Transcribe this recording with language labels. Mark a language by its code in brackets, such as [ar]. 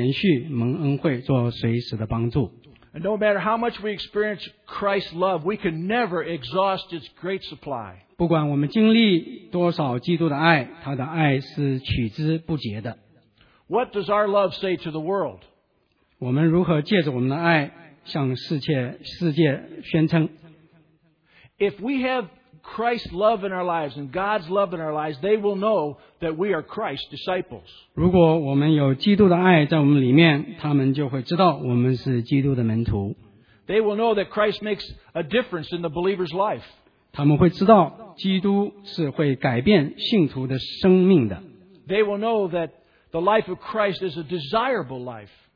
[zh] 希伯来书4:16如此说，所以我们只管坦然无惧地来到施恩的宝座前，为要得连续蒙恩惠，做随时的帮助。 [en] And no matter how much we experience Christ's love, we can never exhaust its great supply. [zh] 不管我们经历多少基督的爱，他的爱是取之不竭的。 [en] What does our love say to the world? [zh] 我们如何借着我们的爱向世界宣称？ [en] If we have Christ's love in our lives and God's love in our lives, they will know that we are Christ's disciples. [zh] 如果我们有基督的爱在我们里面，他们就会知道我们是基督的门徒。 [en] They will know that Christ makes a difference in the believer's life. [zh] 他们会知道基督是会改变信徒的生命的。 [en] They will know that the life of Christ is a desirable life.